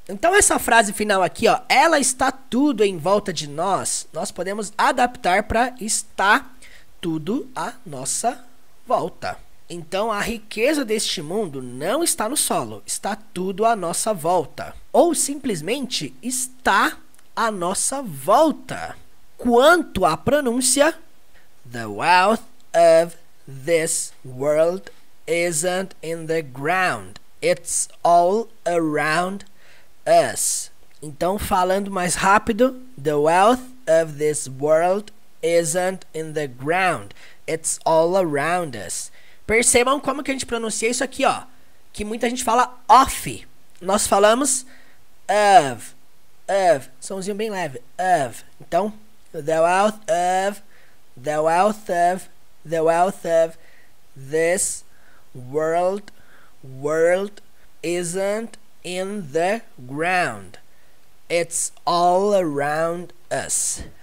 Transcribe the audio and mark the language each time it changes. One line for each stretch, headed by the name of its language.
Portuguese: Então, essa frase final aqui, ó, ela está tudo em volta de nós, nós podemos adaptar para estar tudo à nossa volta. Então, a riqueza deste mundo não está no solo, está tudo à nossa volta. Ou, simplesmente, está à nossa volta. Quanto à pronúncia,
English: the wealth of this world isn't in the ground, it's all around us.
Portuguese: Então, falando mais rápido,
English: the wealth of this world isn't in the ground, it's all around us.
Portuguese: Percebam como que a gente pronuncia isso aqui, ó, que muita gente fala off. Nós falamos of, somzinho bem leve, of. Então,
English: the wealth of this world isn't in the ground, it's all around us.